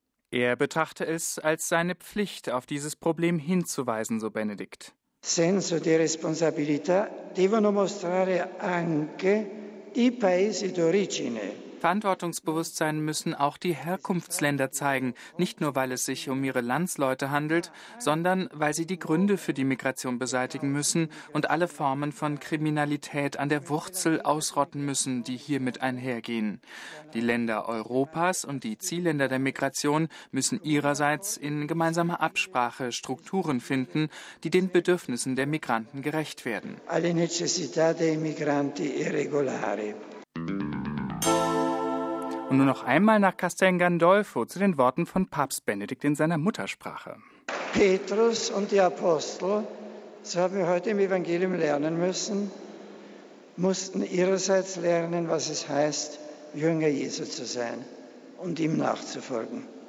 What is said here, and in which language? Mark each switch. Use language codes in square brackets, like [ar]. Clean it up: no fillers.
[de] Er betrachte es als seine Pflicht, auf dieses Problem hinzuweisen, so Benedikt. [it] Senso di responsabilità devono mostrare anche i paesi d'origine. [de] Verantwortungsbewusstsein müssen auch die Herkunftsländer zeigen, nicht nur weil es sich um ihre Landsleute handelt, sondern weil sie die Gründe für die Migration beseitigen müssen und alle Formen von Kriminalität an der Wurzel ausrotten müssen, die hiermit einhergehen. Die Länder Europas und die Zielländer der Migration müssen ihrerseits in gemeinsamer Absprache Strukturen finden, die den Bedürfnissen der Migranten gerecht werden. [it] Alle necessità dei migranti irregolari. [de] Und nur noch einmal nach Castel Gandolfo zu den Worten von Papst Benedikt in seiner Muttersprache. Petrus und die Apostel, so haben wir heute im Evangelium lernen müssen, mussten ihrerseits lernen, was es heißt, Jünger Jesu zu sein und ihm nachzufolgen.